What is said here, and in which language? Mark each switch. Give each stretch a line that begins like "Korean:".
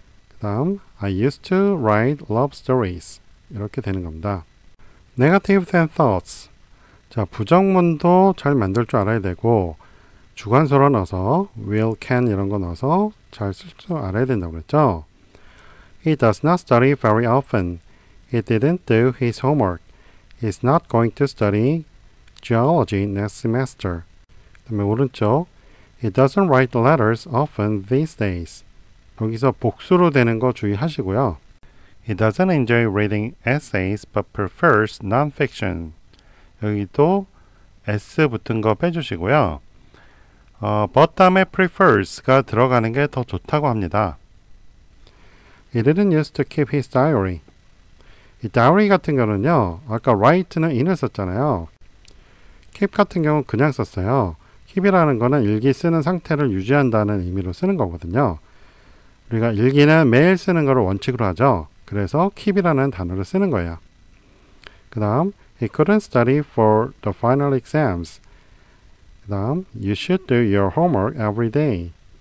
Korean: 그 다음,
English: I used to write love stories.
Korean: 이렇게 되는 겁니다.
English: Negatives and thoughts.
Korean: 자, 부정문도 잘 만들 줄 알아야 되고, 주관서를 넣어서, will, can 이런 거 넣어서 잘 쓸 줄 알아야 된다고 그랬죠?
English: He does not study very often. He didn't do his homework. He's not going to study geology next semester.
Korean: 그 다음에 오른쪽,
English: He doesn't write letters often these days.
Korean: 여기서 복수로 되는 거 주의하시고요.
English: He doesn't enjoy reading essays but prefers non-fiction.
Korean: 여기도 S 붙은 거 빼주시고요. But 다음에 prefers가 들어가는 게 더 좋다고 합니다.
English: He didn't use to keep his diary.
Korean: 이 diary 같은 경우는요. 아까 write는 in을 썼잖아요. keep 같은 경우는 그냥 썼어요. keep이라는 거는 일기 쓰는 상태를 유지한다는 의미로 쓰는 거거든요. 우리가 일기는 매일 쓰는 거를 원칙으로 하죠. 그래서 keep이라는 단어를 쓰는 거예요. 그 다음,
English: he couldn't study for the final exams.
Korean: 그 다음,
English: you should do your homework every day.